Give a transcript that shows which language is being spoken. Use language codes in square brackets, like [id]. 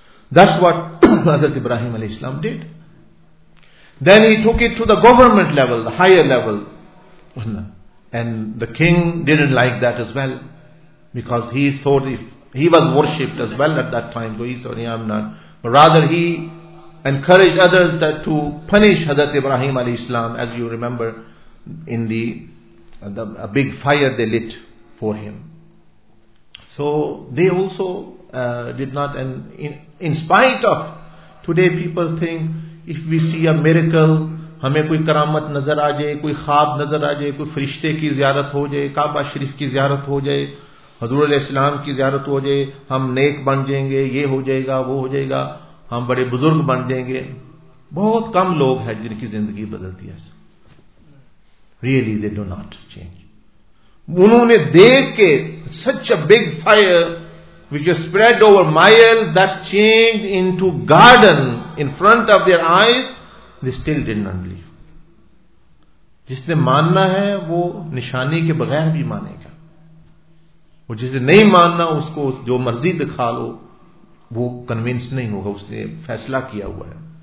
[en] that's what Hazrat Ibrahim alayhi salam did then he took it to the government level the higher level and the king didn't like that as well because he thought if He was worshipped as well at that time. So he said, I'm not. But rather he encouraged others that to punish Hazrat Ibrahim alayhi salam, as you remember, in a big fire they lit for him. So they also did not. And in spite of today people think, if we see a miracle, [ur] ہمیں کوئی کرامت نظر آ جائے, کوئی خواب نظر آ جائے, کوئی فرشتے کی زیارت ہو جائے, کعبہ شریف کی زیارت ہو جائے, حضور علیہ السلام کی زیارت ہو جائے, ہم نیک بن جائیں گے, یہ ہو جائے گا, وہ ہو جائے گا, ہم بڑے بزرگ بن جائیں گے. بہت کم لوگ ہیں جن کی زندگی بدلتی ہے. [en] Really they do not change. [ur] انہوں نے دیکھ کے [en] such a big fire which was spread over miles that changed into garden in front of their eyes they still did not believe. [ur] جس نے ماننا ہے وہ نشانی کے بغیر بھی مانے گا. اور جسے نہیں ماننا اس کو جو مرضی دکھا لو وہ کنوینس نہیں ہوگا, اس نے فیصلہ کیا ہوا ہے.